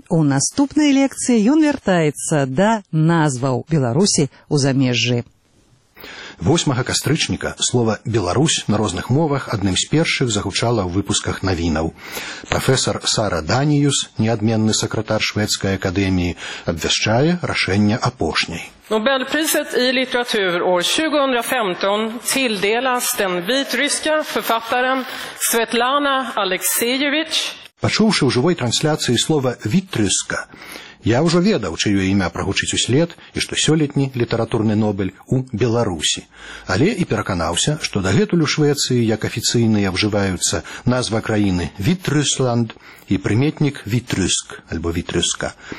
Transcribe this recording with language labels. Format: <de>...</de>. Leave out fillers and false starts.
<be>У наступнай лекцыі ён вяртаецца да назваў Беларусі ў замежжы. 8 кастрычніка слова «Беларусь» на розных мовах адным з першых загучала ў выпусках навінаў. Прафесар Сара Даніюс, неадменны сакратар Шведскай акадэміі, абвяшчае рашэнне апошняй.</be> <sv>Nobelpriset i litteratur år 2015 tilldelas den vitryska författaren Svetlana Alexievich.</sv> <be>Пачуўшы ў жывой трансляцыі слова «вітрыска», я ўжо ведаў, чыё імя прагучыць услед і што сёлетні літаратурны Нобель у Беларусі. Але і пераканаўся, што дагэтуль у Швецыі, як афіцыйныя, вжываюцца назва краіны «Вітрысланд» і прыметнік «Вітрыск» альбо «Вітрыска».</be>